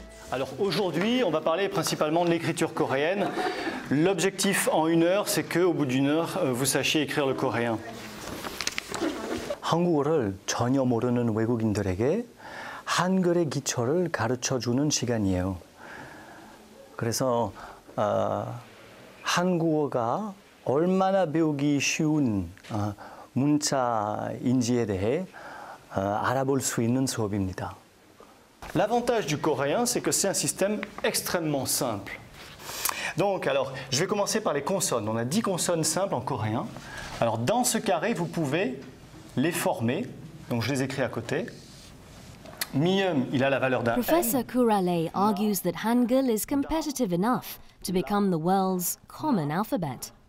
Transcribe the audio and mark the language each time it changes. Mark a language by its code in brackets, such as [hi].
[fr] Alors aujourd'hui, on va parler principalement de l'écriture coréenne. L'objectif en une heure, c'est que au bout d'une heure, vous sachiez écrire le coréen. [ko] 한국어를 전혀 모르는 외국인들에게 한글의 기초를 가르쳐 주는 시간이에요. 그래서 한국어가 얼마나 배우기 쉬운 문자인지에 대해 알아볼 수 있는 수업입니다. [fr] L'avantage du coréen, c'est que c'est un système extrêmement simple. Donc, alors, je vais commencer par les consonnes. On a 10 consonnes simples en coréen. Alors, dans ce carré, vous pouvez les former. Donc, je les écris à côté. Mi-um, il a la valeur d'un [en] Professor Couralet argues that Hangul is competitive enough to become the world's common alphabet.